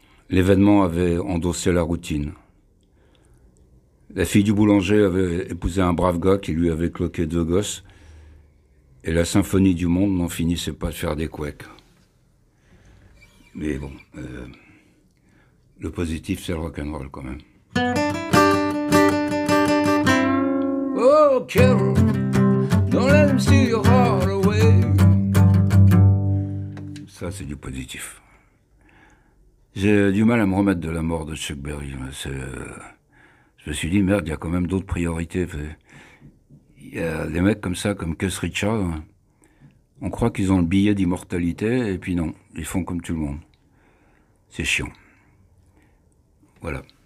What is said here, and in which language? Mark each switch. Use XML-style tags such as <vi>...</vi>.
<fr>L'événement avait endossé la routine. La fille du boulanger avait épousé un brave gars qui lui avait cloqué deux gosses. Et la symphonie du monde n'en finissait pas de faire des couecs. Mais bon... Le positif, c'est le rock'n'roll, quand même.</fr> <en>Oh, Carol, don't let them see your heart away.</en> <fr>Ça, c'est du positif. J'ai du mal à me remettre de la mort de Chuck Berry. Je me suis dit, merde, il y a quand même d'autres priorités. Il y a des mecs comme ça, comme Keith Richards, on croit qu'ils ont le billet d'immortalité, et puis non, ils font comme tout le monde. C'est chiant. Voilà.</fr>